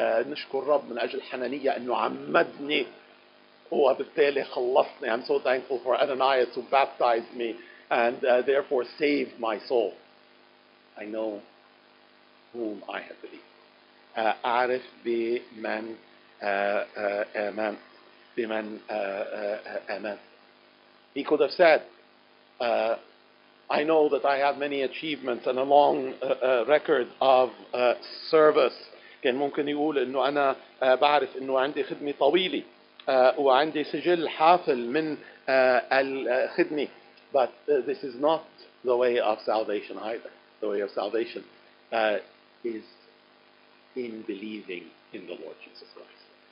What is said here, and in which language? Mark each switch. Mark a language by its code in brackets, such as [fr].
[ar] نشكر رب من اجل حنانية انه عمدني وبالتالي خلصني. [en] I'm so thankful for Ananias who baptized me and therefore saved my soul. I know whom I have believed. [ar] أعرف بمن آمن بمن آمن. [en] He could have said I know that I have many achievements and a long record of service. [ar] كان ممكن يقول انه انا بعرف انه عندي خدمة طويلة وعندي سجل حافل من الخدمة. [en] But this is not the way of salvation either. The way of salvation is in believing in the Lord Jesus Christ.